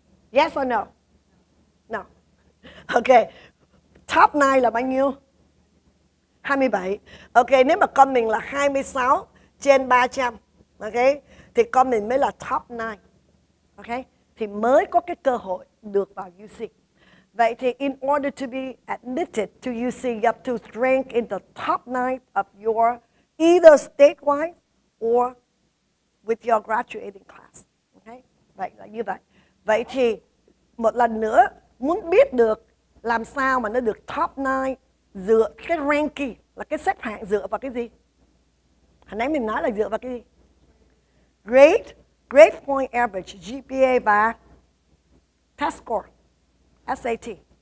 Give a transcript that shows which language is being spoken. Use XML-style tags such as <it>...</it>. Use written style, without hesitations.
<en>Yes or no? No. Okay. Top 9</en> <vi>là bao nhiêu?</vi> <en>27.</en> <vi>Okay, nếu mà con mình là 26 trên 300, okay, thì con mình mới là top 9. Okay? Thì mới có cái cơ hội được vào UC. Vậy thì</vi> <en>in order to be admitted to UC, you have to rank in the top 9 of your either statewide or with your graduating class.</en> <vi>Okay? Vậy là như vậy. Vậy thì một lần nữa muốn biết được làm sao mà nó được top 9 dựa cái ranking là cái xếp hạng dựa vào cái gì? Hồi nãy mình nói là dựa vào cái gì?</vi> <en>Grade, grade point average, GPA và test score, SAT.</en>